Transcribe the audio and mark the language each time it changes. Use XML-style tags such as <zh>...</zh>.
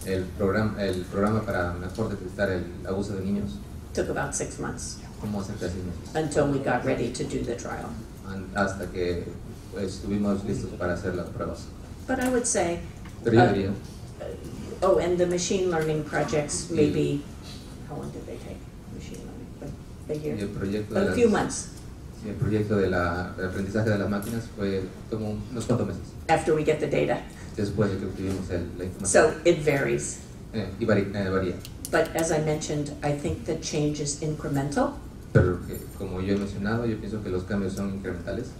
<es>El programa para mejor detectar el abuso de niños.</es> <en>took about 6 months.</en> <es>Como 6 meses.</es> <en>Until we got ready to do the trial.</en> <es>Hasta que estuvimos listos para hacer las pruebas.</es> <en>But I would say.</en> <es>Pero yo diría.</es> <en>Oh, and the machine learning projects maybe. How long did they take? Machine learning, a year.</en> <es>El proyecto a las,</es> <en>few months.</en> <es>El proyecto de la aprendizaje de las máquinas fue como unos cuantos meses.</es> <en>After we get the data.</en> <es>Después de que obtuvimos la información.</es> <en>So it varies.</en> <es>Y varía.</es> <en>But as I mentioned, I think the change is incremental.</en> <es>Pero que, como yo he mencionado, yo pienso que los cambios son incrementales.</es>